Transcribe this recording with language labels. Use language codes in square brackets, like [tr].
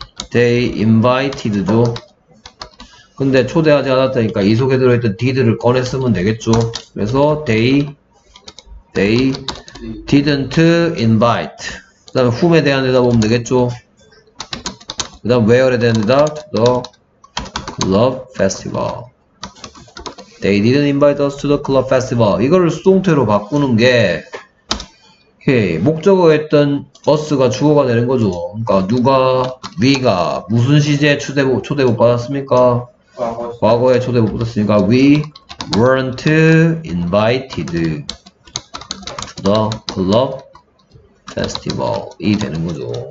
[en] 데이 인바이티드죠. [ko] 근데 초대하지 않았다니까 이 속에 들어있던 디드를 꺼냈으면 되겠죠. 그래서 [en] 데이 디던트 인바이트. [ko] 그다음에 훔에 대한 대답 보면 되겠죠. 그다음 웨어에 대한 대답 [en] 더 클럽 페스티벌. They didn't invite us to the club festival. [ko] 이거를 수동태로 바꾸는 게 오케이. 목적어였던 us가 주어가 되는 거죠. 그러니까 누가 we가 무슨 시제에 초대복 받았습니까? 과거에 초대복 받았으니까 [en] we weren't invited to the club festival [ko] 이 되는 거죠.